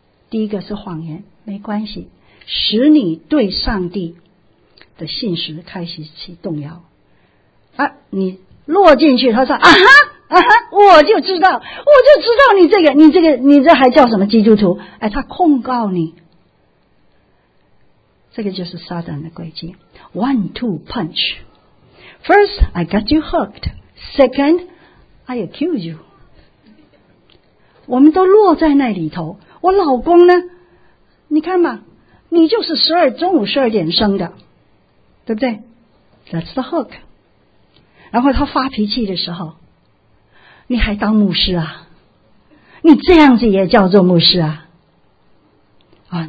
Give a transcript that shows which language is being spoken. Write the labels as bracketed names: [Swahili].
[Chinese] 第一个是谎言，没关系，使你对上帝的信实开始起动摇啊，你落进去，他说啊哈啊哈，我就知道你这还叫什么基督徒？哎，他控告你，这个就是撒旦的诡计。 [English] One two punch, first I got you hooked, second I accuse you。 [Chinese] 我们都落在那里头。我老公呢，你看吧，你就是中午12点生的，对不对？ [English] That's the hook。 [Chinese] 然后他发脾气的时候，你还当牧师啊？你这样子也叫做牧师啊？啊！